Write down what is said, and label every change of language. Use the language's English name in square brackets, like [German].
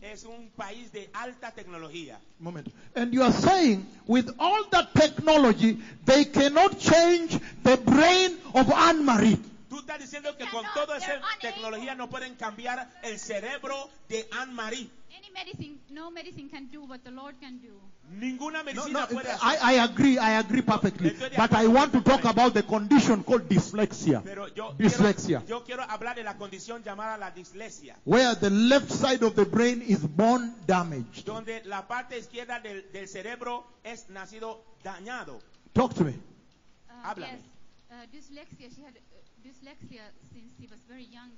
[Spanish] Es un país de alta tecnología. [English] Moment. And you are saying with all that technology they cannot change the brain of Ann-Marie. [Spanish] Tú estás diciendo que con toda esa tecnología no pueden cambiar el cerebro de Ann-Marie. [English] No medicine can do what the Lord can do. [Spanish] Ninguna medicina [English] I agree perfectly. But I want to talk about the condition called dyslexia. [Spanish] Pero yo quiero hablar de la condición llamada la dislexia. [English] Where the left side of the brain is born damaged. [Spanish] Donde la parte izquierda del cerebro es nacido dañado. [English] Talk to me. [Spanish] Háblame. [English] Yes. Dyslexia. She had dyslexia since she was very young.